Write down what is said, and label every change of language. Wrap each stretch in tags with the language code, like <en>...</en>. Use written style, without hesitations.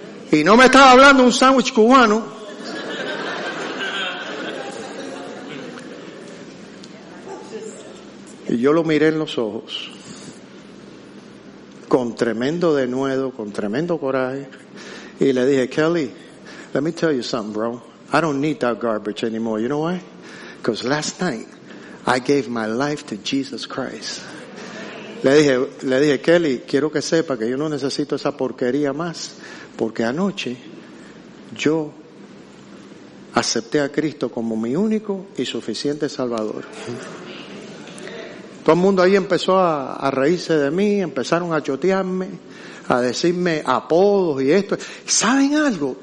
<es>Y no me estaba hablando un sándwich cubano. Y yo lo miré en los ojos, con tremendo denuedo, con tremendo coraje. Y le dije, Kelly,</es> <en>let me tell you something, bro. I don't need that garbage anymore. You know why? Because last night, I gave my life to Jesus Christ.</en> <es>Le dije, Kelly, quiero que sepa que yo no necesito esa porquería más. Porque anoche, yo acepté a Cristo como mi único y suficiente Salvador. Todo el mundo ahí empezó a reírse de mí, empezaron a chotearme, a decirme apodos y esto. ¿Saben algo?</es>